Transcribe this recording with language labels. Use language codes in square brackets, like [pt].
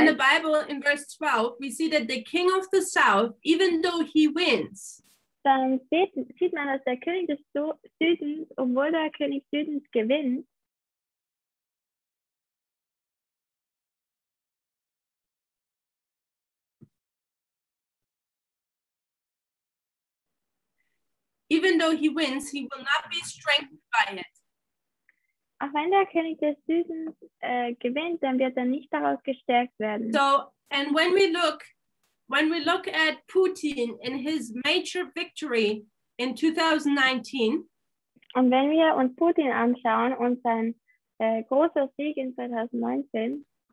[en] In the Bible, in verse 12, we see that the king of the south, even though he wins, [de] dann sieht man, dass der König des Südens, obwohl der König Südens gewinnt, [en] even though he wins, he will not be strengthened by it. [de] Auch wenn der König des Südens gewinnt, dann wird er nicht daraus gestärkt werden. [en] So, and when we look at Putin and his major victory in 2019. [de] Und wenn wir uns Putin anschauen und sein großer Sieg in 2019.